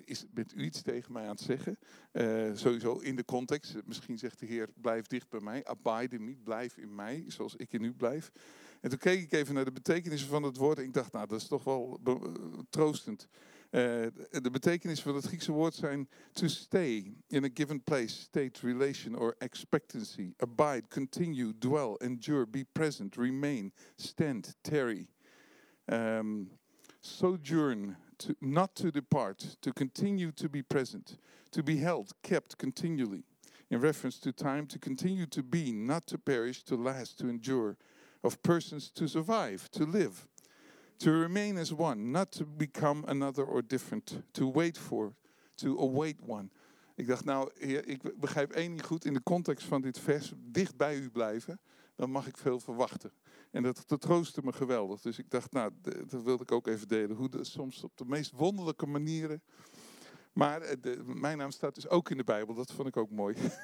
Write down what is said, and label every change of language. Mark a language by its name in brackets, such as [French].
[Dutch] Bent u iets tegen mij aan het zeggen? Sowieso in de context, misschien zegt de Heer, blijf dicht bij mij, [English] abide in me, [Dutch] blijf in mij, zoals ik in u blijf. En toen keek ik even naar de betekenissen van het woord en ik dacht, nou, dat is toch wel troostend. De betekenissen van het Griekse woord zijn [English] to stay in a given place, state, relation or expectancy. Abide, continue, dwell, endure, be present, remain, stand, tarry. Sojourn, not to depart, to continue to be present, to be held, kept continually. In reference to time, to continue to be, not to perish, to last, to endure. Of persons to survive, to live. To remain as one, not to become another or different. To wait for, to await one. [Dutch] Ik dacht, nou, ik begrijp één niet goed in de context van dit vers. Dicht bij u blijven, dan mag ik veel verwachten. En dat troostte me geweldig. Dus ik dacht, nou, dat wilde ik ook even delen. Hoe dat soms op de meest wonderlijke manieren. Maar mijn naam staat dus ook in de Bijbel. Dat vond ik ook mooi.